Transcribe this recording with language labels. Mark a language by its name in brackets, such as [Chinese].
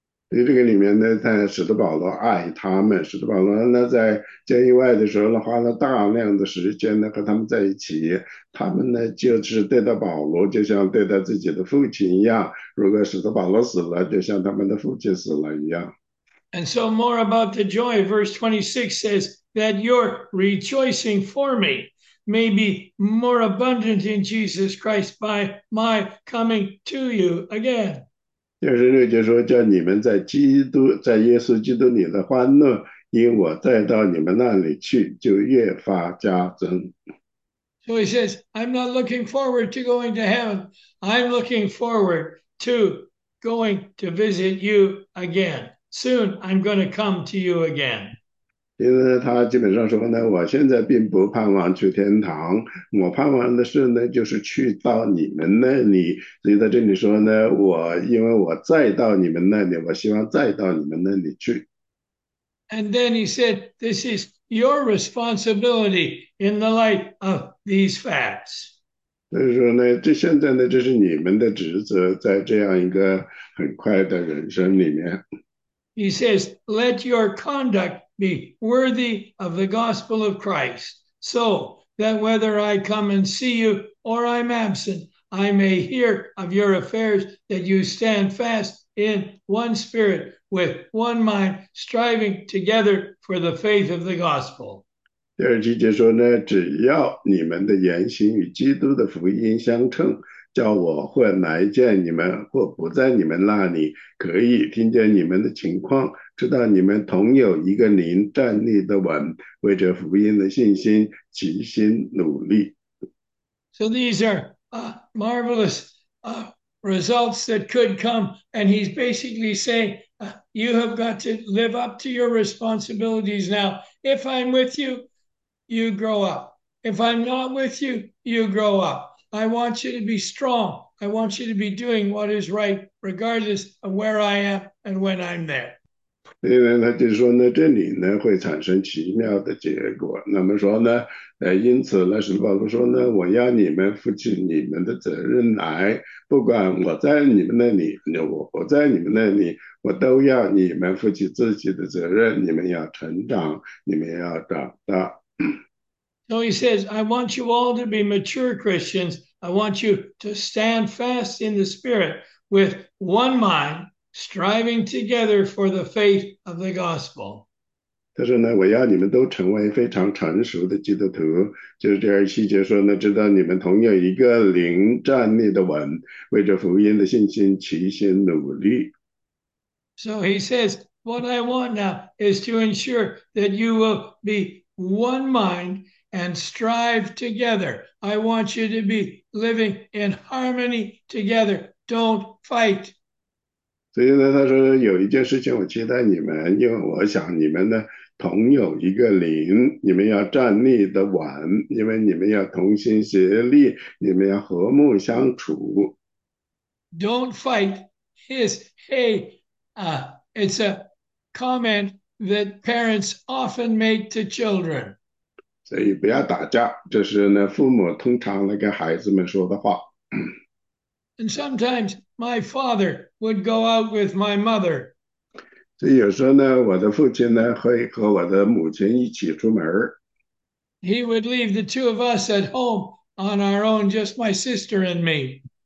[Chinese] 所以这个里面呢，在使徒保罗爱他们，使徒保罗呢在监狱外的时候呢，花了大量的时间呢和他们在一起，他们呢就是对待保罗就像对待自己的父亲一样，如果使徒保罗死了，就像他们的父亲死了一样。 [English] And so more about the joy, verse 26 says that your rejoicing for me may be more abundant in Jesus Christ by my coming to you again. [Chinese] 26节说：“叫你们在耶稣基督里的欢乐，因我再到你们那里去，就越发加增。 [English] So he says, I'm not looking forward to going to heaven. I'm looking forward to going to visit you again. Soon I'm going to come to you again. [Chinese] ”因为他基本上说呢，我现在并不盼望去天堂，我盼望的是呢，就是去到你们那里。所以在这里说呢，因为我再到你们那里，我希望再到你们那里去。 [English] And then he said, this is your responsibility in the light of these facts. [Chinese] 所以说呢，这现在呢，这是你们的职责，在这样一个很快的人生里面。 [English] He says, let your conduct be worthy of the gospel of Christ, so that whether I come and see you or I'm absent, I may hear of your affairs, that you stand fast in one spirit, with one mind, striving together for the faith of the gospel. [Chinese] 第二节说呢，只要你们的言行与基督的福音相称，叫我或来见你们，或不在你们那里，可以听见你们的情况，知道你们同有一个灵站立的稳，为着福音的信心齐心努力。 [English] So these are marvelous results that could come. And he's basically saying, you have got to live up to your responsibilities now. If I'm with you, you grow up. If I'm not with you, you grow up. I want you to be strong. I want you to be doing what is right, regardless of where I am and when I'm there. [Chinese] 所以呢，他就说呢，这里呢会产生奇妙的结果。那么说呢，因此呢，使徒保罗说呢，我要你们负起你们的责任来，不管我在你们那里，我不在你们那里，我都要你们负起自己的责任。你们要成长，你们要长大。 [English] So he says, I want you all to be mature Christians. I want you to stand fast in the Spirit with one mind, striving together for the faith of the gospel. [Chinese] 他说呢，我要你们都成为非常成熟的基督徒，就是第二细节说呢，知道你们同有一个灵站立的稳，为着福音的信心齐心努力。 [English] So he says, what I want now is to ensure that you will be one mind. And strive together. I want you to be living in harmony together. Don't fight. [Chinese] 所以呢，他说有一件事情我期待你们，因为我想你们呢。同有一个灵，你们要站立得稳，因为你们要同心协力，你们要和睦相处。 [English] Don't fight his hey. It's a comment that parents often make to children. [Chinese] 所以不要打架，这是呢父母通常呢跟孩子们说的话。 [English] And sometimes my father would go out with my mother. [Chinese] 所以有时候呢，我的父亲呢会和我的母亲一起出门。 [English] He would leave the two of us at home on our own, just my sister and me.